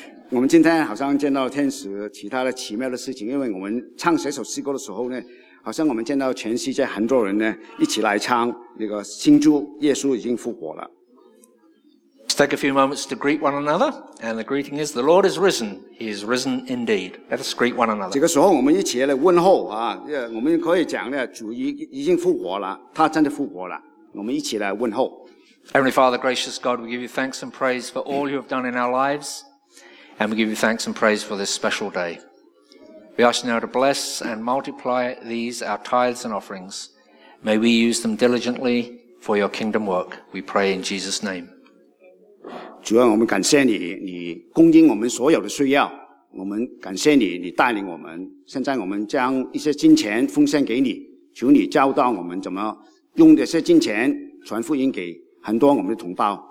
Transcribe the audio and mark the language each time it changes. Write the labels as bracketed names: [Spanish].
[Chinese] 我们今天好像见到天使，其他的奇妙的事情，因为我们唱这首诗歌的时候呢，好像我们见到全世界很多人呢一起来唱那个庆祝耶稣已经复活了。 [English] Let's take a few moments to greet one another, and the greeting is, the Lord is risen, he is risen indeed. Let us greet one another. [Chinese] 这个时候我们一起来问候啊，我们可以讲呢，主已经复活了，他真的复活了，我们一起来问候。 [English] Heavenly Father, gracious God, we give you thanks and praise for all you have done in our lives, and we give you thanks and praise for this special day. We ask you now to bless and multiply these, our tithes and offerings. May we use them diligently for your kingdom work. We pray in Jesus' name. [Chinese] 主啊，我们感谢你，你供应我们所有的需要。我们感谢你，你带领我们。现在我们将一些金钱奉献给你，求你教导我们怎么用这些金钱传福音给很多我们的同胞。